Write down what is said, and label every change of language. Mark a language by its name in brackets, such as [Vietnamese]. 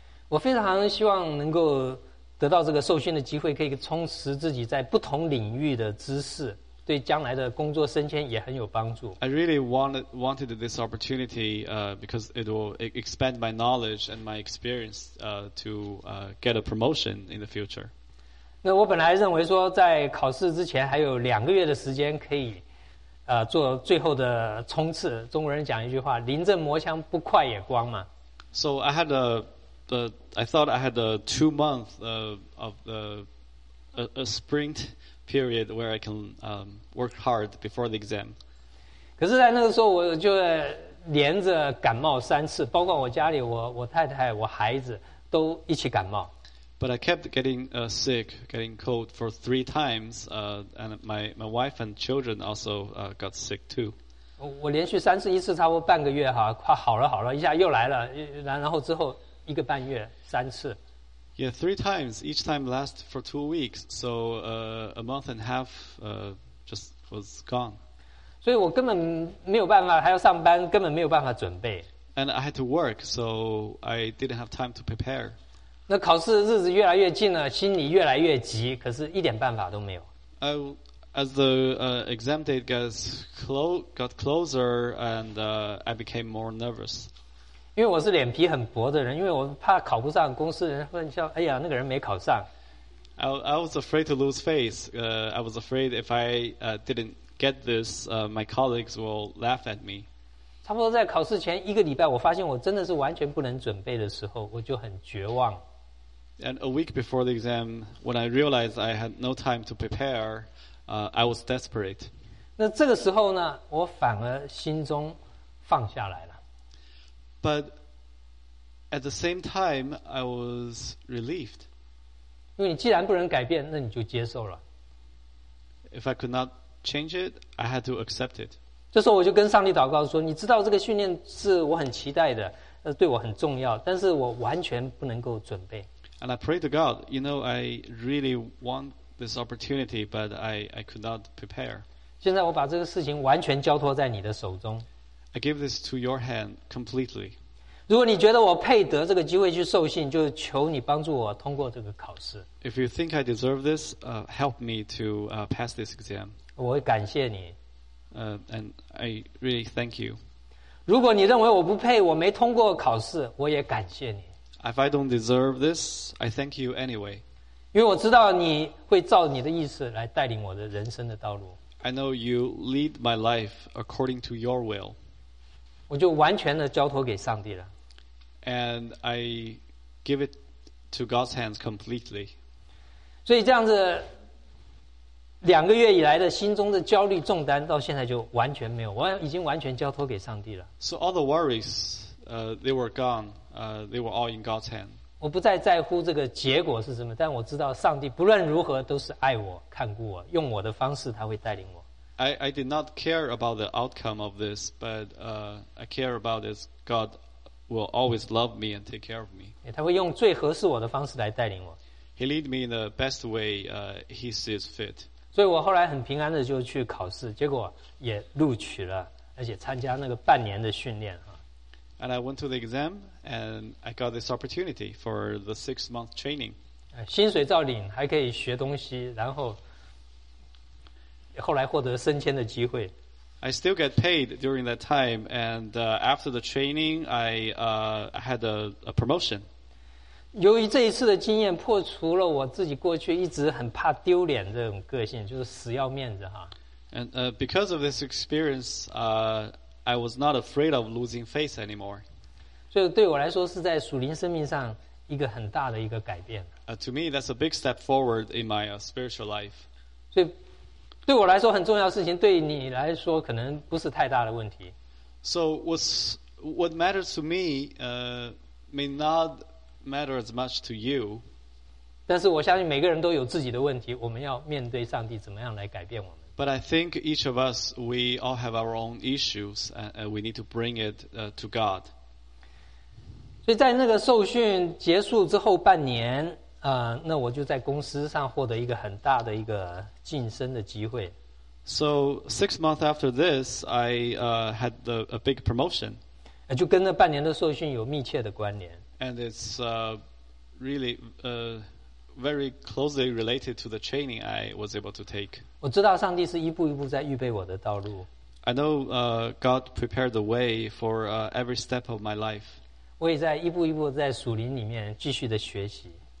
[Chinese] 我非常希望能够得到这个受训的机会，可以充实自己在不同领域的知识。对将来的工作升迁也很有帮助。 [English] I really wanted this opportunity because it will expand my knowledge and my experience to get a promotion in the future. [Chinese] 那我本来认为说在考试之前还有两个月的时间可以做最后的冲刺。中国人讲一句话，临阵磨枪不快也慌嘛。 [English] So I had I thought I had a 2 months of a sprint. period where I can work hard before the exam. [Chinese] 可是在那个时候我就连着感冒三次，包括我家里我太太我孩子都一起感冒。 [English] But I kept getting sick, getting cold for 3 times, and my wife and children also got sick too. [Chinese] 我连续三次，一次差不多半个月哈，快好了，一下又来了，然后之后一个半月三次。 [English] Yeah, 3 times. Each time lasts for 2 weeks. So a month and a half just was gone. [Chinese] 所以我根本没有办法，还要上班，根本没有办法准备。 [English] And I had to work, so I didn't have time to prepare. [Chinese] 那考试日子越来越近了，心里越来越急，可是一点办法都没有。 [English] As the exam date got closer, and I became more nervous. [Chinese] 因为我是脸皮很薄的人，因为我怕考不上，公司人问叫，哎呀，那个人没考上。 [English] I was afraid to lose face. I was afraid if I didn't get this, my colleagues will laugh at me. [Chinese] 差不多在考试前一个礼拜，我发现我真的是完全不能准备的时候，我就很绝望。 [English] And a week before the exam, when I realized I had no time to prepare, I was desperate. [Chinese] 那这个时候呢，我反而心中放下来了。 [English] But at the same time, I was relieved. [Chinese] 因为你既然不能改变，那你就接受了。 [English] If I could not change it, I had to accept it. [Chinese] 这时候我就跟上帝祷告说，你知道这个训练是我很期待的，对我很重要，但是我完全不能够准备。 [English] And I prayed to God, you know, I really want this opportunity, but I could not prepare. [Chinese] 现在我把这个事情完全交托在你的手中。 [English] I give this to your hand completely. [Chinese] 如果你觉得我配得这个机会去受信，就求你帮助我通过这个考试。 [English] If you think I deserve this, help me to pass this exam. [Chinese] 我会感谢你。 [English] And I really thank you. [Chinese] 如果你认为我不配，我没通过考试，我也感谢你。 [English] If I don't deserve this, I thank you anyway. [Chinese] 因为我知道你会照你的意思来带领我的人生的道路。 [English] I know you lead my life according to your will. [Chinese] 我就完全的交托给上帝了。 [English] And I give it to God's hands completely. [Chinese] 所以这样子，两个月以来的心中的焦虑重担到现在就完全没有，我已经完全交托给上帝了。 [English] So all the worries, they were gone. They were all in God's hand. [Chinese] 我不再在乎这个结果是什么，但我知道上帝不论如何都是爱我、看顾我，用我的方式他会带领我。 [English] I did not care about the outcome of this, but I care about this. God will always love me and take care of me. [Chinese] 他会用最合适我的方式来带领我。 [English] He lead me in the best way he sees fit. [Chinese] 所以我后来很平安的就去考试，结果也录取了，而且参加那个半年的训练。 [English] And I went to the exam, and I got this opportunity for the six-month training. [Chinese] 薪水照领，还可以学东西，然后后来获得升迁的机会。 [English] I still get paid during that time, and after the training, I had a promotion. [Chinese] 由于这一次的经验，破除了我自己过去一直很怕丢脸这种个性，就是死要面子哈。 [English] And because of this experience, I was not afraid of losing face anymore. [Chinese] 所以对我来说是在属灵生命上一个很大的一个改变。 [English] To me, that's a big step forward in my spiritual life. [Chinese] 所以对我来说很重要的事情，对你来说可能不是太大的问题。 [English] So what matters to me, may not matter as much to you. [Chinese] 但是我相信每个人都有自己的问题，我们要面对上帝，怎么样来改变我们。 [English] But I think each of us, we all have our own issues, and we need to bring it to God. [Chinese] 所以在那个受训结束之后半年，那我就在公司上获得一个很大的一个晋升的机会。 [English] So 6 months after this, I had a big promotion. [Chinese] 就跟那半年的受训有密切的关联。 [English] And it's really very closely related to the training I was able to take. [Chinese] 我知道上帝是一步一步在预备我的道路。 [English] I know God prepared the way for every step of my life. [Chinese] 我也在一步一步在属灵里面继续的学习。